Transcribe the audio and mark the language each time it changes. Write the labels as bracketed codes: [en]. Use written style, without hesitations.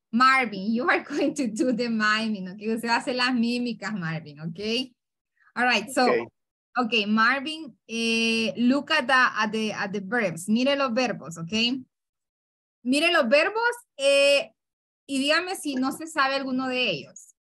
[en] Marvin, you are going to do the miming, okay? [es] Usted va a hacer las mímicas, Marvin, okay? [en] All right, so, okay Marvin, look at the verbs. [es] Mire los verbos, okay? Mire los verbos y dígame si no se sabe alguno de ellos.